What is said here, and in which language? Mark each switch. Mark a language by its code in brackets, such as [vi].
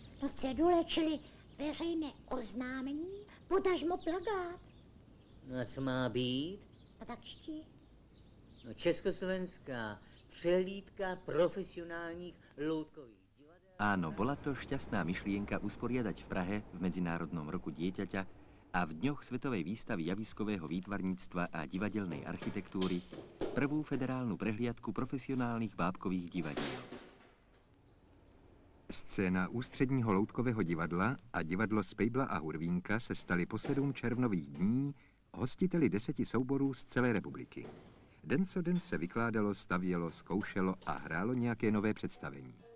[cs] No cedule, čili veřejné oznámení, potažmo plakát. No a co má být? A tak čti. No československá přehlídka profesionálních loutkových. [sk] Ano, bola to šťastná myšlienka usporiadať v Prahe v Medzinárodnom roku dieťaťa a v dňoch Svetovej výstavy javiskového výtvarníctva a divadelnej architektúry prvú federálnu prehliadku profesionálnych bábkových divadiel. [cs] Scéna ústredního loutkového divadla a divadlo Spejbla a Hurvínka se staly po 7 červnových dní hostiteli 10 souborů z celé republiky. Den co den se vykládalo, stavělo, zkoušelo a hrálo nějaké nové představení.